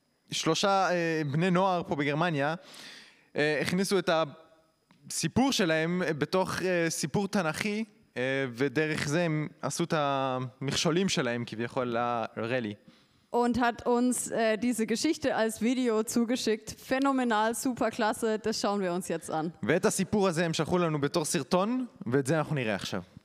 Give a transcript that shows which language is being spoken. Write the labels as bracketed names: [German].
[Hebrew] ושלושה בני נוער פה בגרמניה הכניסו את הסיפור שלהם בתוך סיפור תנכי, ודרך זה הם עשו את המכשולים שלהם כביכול לרלי. [German] Und hat uns diese Geschichte als Video zugeschickt. Phänomenal, super klasse, das schauen wir uns jetzt an. [Hebrew] ואת הסיפור הזה הם שלחו לנו בתור סרטון, ואת זה אנחנו נראה עכשיו.